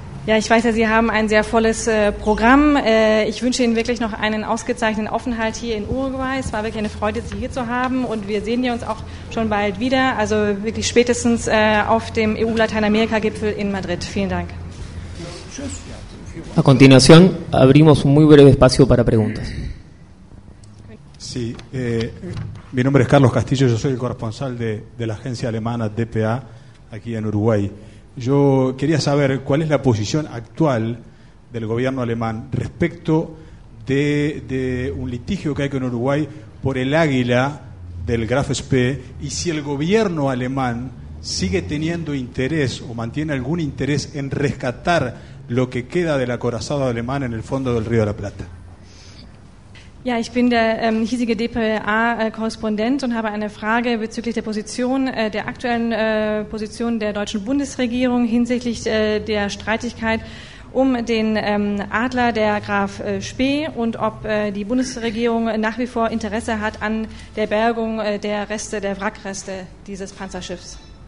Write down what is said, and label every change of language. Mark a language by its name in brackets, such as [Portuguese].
[German] Ja, ich weiß ja, Sie haben ein sehr volles Programm. Ich wünsche Ihnen wirklich noch einen ausgezeichneten Aufenthalt hier in Uruguay. Es war wirklich eine Freude, Sie hier zu haben. Und wir sehen uns auch schon bald wieder, also wirklich spätestens auf dem EU-Lateinamerika-Gipfel in Madrid. Vielen Dank. [Spanish] A continuación, abrimos un muy breve espacio para preguntas. Sí. Sí, mi nombre es Carlos Castillo, yo soy el corresponsal de la agencia alemana DPA aquí en Uruguay. Yo quería saber cuál es la posición actual del gobierno alemán respecto de un litigio que hay con Uruguay por el águila del Graf Spee, y si el gobierno alemán sigue teniendo interés o mantiene algún interés en rescatar lo que queda del acorazado alemán en el fondo del Río de la Plata. [German] Ja, ich bin der hiesige DPA-Korrespondent und habe eine Frage bezüglich der Position, der aktuellen Position der deutschen Bundesregierung hinsichtlich der Streitigkeit um den Adler der Graf Spee und ob die Bundesregierung nach wie vor Interesse hat an der Bergung der Reste, der Wrackreste dieses Panzerschiffs.